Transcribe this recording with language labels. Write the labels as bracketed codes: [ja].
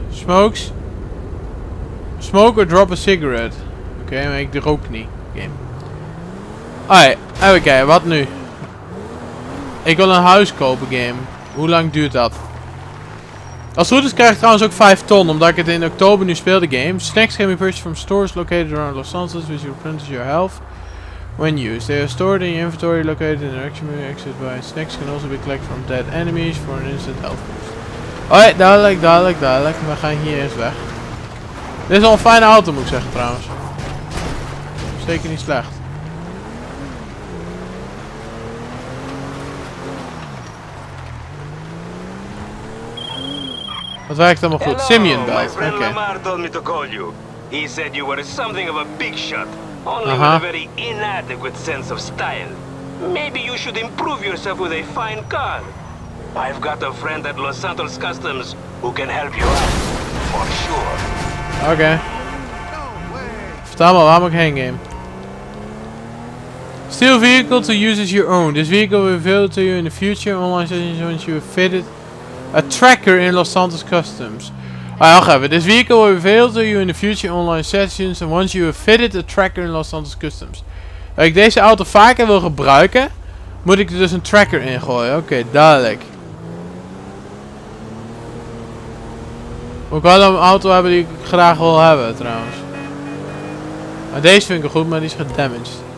[en] Smokes. Smoke or drop a cigarette. [nl] Oké, maar ik rook niet. Game. Alright. Oké, okay, wat nu? Ik wil een huis kopen, game. Hoe lang duurt dat? Als het goed is krijg ik trouwens ook 5 ton, omdat ik het in oktober nu speelde, game. [en] Snacks can be purchased from stores located around Los Angeles, which replenishes your health when used. They are stored in your inventory located in the action menu, accessed by snacks can also be collected from dead enemies for an instant health boost. [nl] Alright, duidelijk, duidelijk, duidelijk. We gaan hier eerst weg. Dit is wel een fijne auto, moet ik zeggen, trouwens. Zeker niet slecht. Dat werkt allemaal goed. Simeon belt. Oké. Okay. [en] Lamar told me to call you. He said you were something of a big shot. Only with a very inadequate sense of style. Maybe you should improve yourself with a fine car. I've got a friend at Los Santos Customs who can help you out. For sure. [nl] Oké. Okay. Vertel me, waar moet ik heen, game? [en] Steal vehicle to use as your own. This vehicle will be available to you in the future. Online sessions once you have fitted. A tracker in Los Santos Customs. [nl] Ah, wacht even. [en] This vehicle will be available to you in the future online sessions. And once you have fitted a tracker in Los Santos Customs. [nl] Als ik deze auto vaker wil gebruiken, moet ik er dus een tracker in gooien. Oké, okay, duidelijk. Moet ik wel een auto hebben die ik graag wil hebben, trouwens. Maar deze vind ik goed, maar die is gedamaged.